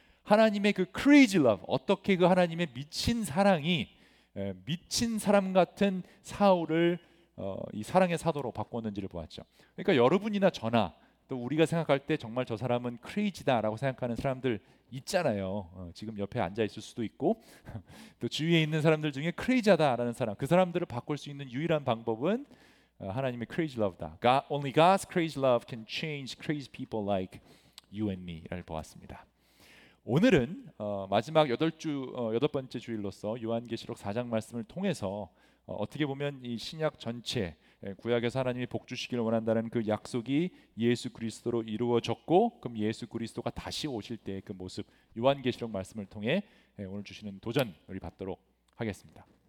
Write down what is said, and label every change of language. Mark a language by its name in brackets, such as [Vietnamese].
[Korean] 하나님의 그 [English] crazy love, [Korean] 어떻게 그 하나님의 미친 사랑이 미친 사람 같은 사울을 이 사랑의 사도로 바꿨는지를 보았죠. 그러니까 여러분이나 저나 또 우리가 생각할 때 정말 저 사람은 크레이지다라고 생각하는 사람들 있잖아요. 지금 옆에 앉아 있을 수도 있고 또 주위에 있는 사람들 중에 크레이지하다라는 사람, 그 사람들을 바꿀 수 있는 유일한 방법은 하나님의 크레이지 러브다. [English] God, only God's crazy love can change crazy people like you and me [Korean] 를 보았습니다. 오늘은 마지막 여덟 번째 주일로서 요한계시록 4장 말씀을 통해서 어떻게 보면 이 신약 전체, 구약에서 하나님이 복 주시기를 원한다는 그 약속이 예수 그리스도로 이루어졌고, 그럼 예수 그리스도가 다시 오실 때의 그 모습, 요한계시록 말씀을 통해 오늘 주시는 도전 우리 받도록 하겠습니다.